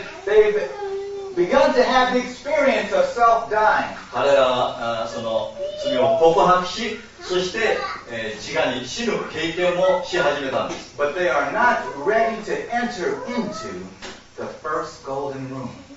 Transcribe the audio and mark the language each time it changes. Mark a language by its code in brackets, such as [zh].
[en] They've begun to have the experience of self-dying. [ja] 彼らはその罪を告白し、そして、自我に死ぬ経験もし始めたんです。 [en] But they are not ready to enter into the first golden room.